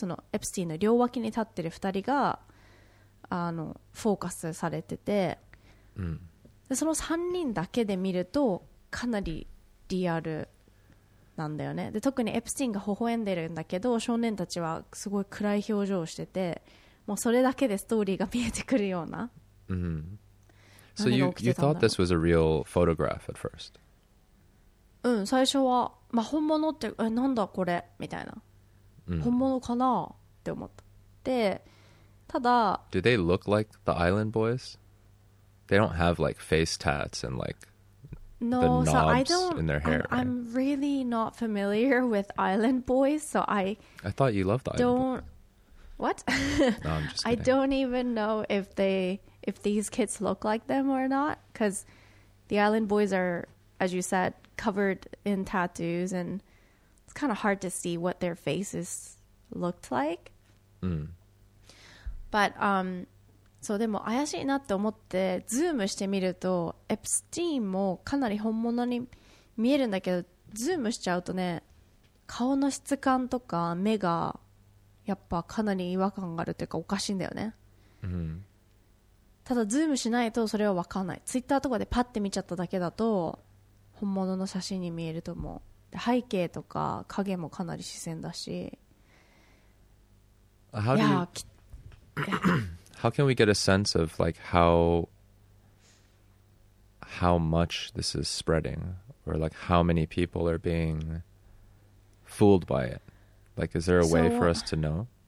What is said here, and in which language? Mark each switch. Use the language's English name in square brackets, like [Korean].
[Japanese] そのエプスティンの両脇に立ってる二人がフォーカスされてて、でその三人だけで見るとかなりリアルなんだよね。で特にエプスティンが微笑んでるんだけど、少年たちはすごい暗い表情をしてて、もうそれだけでストーリーが見えてくるような。 Mm-hmm. [English] So you thought this was a real photograph at first? [Japanese] うん、最初は、まあ、本物って、え、なんだこれみたいな。本物かなって思った。で、ただ、 [English] Do they look like the island boys? They don't have like face tats and like no, the knobs so I don't, in their hair. I'm really not familiar with island boys, so I thought you loved the island boys. What? No, I'm just kidding. I don't even know if they... if these kids look like them or not, because the island boys are, as you said, covered in tattoos, and it's kind of hard to see what their faces looked like. Mm. [Japanese] But, そうでも怪しいなって思ってズームしてみるとエプスティーンもかなり本物に見えるんだけど、ズームしちゃうとね、顔の質感とか目がやっぱかなり違和感があるというかおかしいんだよね、うん、ただズームしないとそれは分かんない。ツイッターとかでパッて見ちゃっただけだと本物の写真に見えると思う。で背景とか影もかなり視線だし、 [English] いやーきっHow can we get a sense of like how much this is spreading, or like how many people are being fooled by it? Like, is there a way for us to know?